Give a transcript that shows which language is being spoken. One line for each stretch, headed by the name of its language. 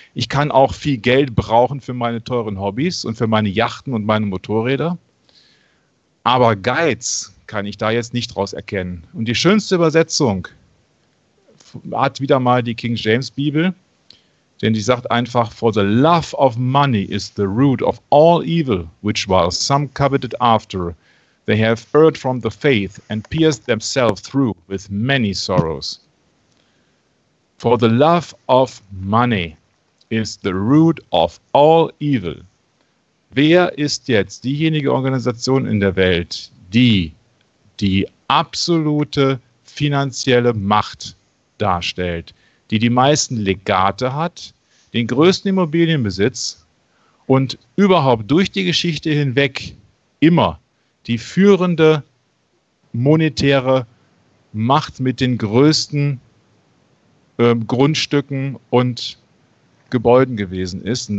German: Ich kann auch viel Geld brauchen für meine teuren Hobbys und für meine Yachten und meine Motorräder. Aber Geiz kann ich da jetzt nicht draus erkennen. Und die schönste Übersetzung hat wieder mal die King James Bibel.
English: Denn die sagt einfach, for the love of money is the root of all evil, which while some coveted after, they have erred from the faith and pierced themselves through with many sorrows. For the love of money is the root of all evil.
German: Wer ist jetzt diejenige Organisation in der Welt, die absolute finanzielle Macht darstellt, die die meisten Legate hat, den größten Immobilienbesitz und überhaupt durch die Geschichte hinweg immer die führende monetäre Macht mit den größten Grundstücken und Gebäuden gewesen ist.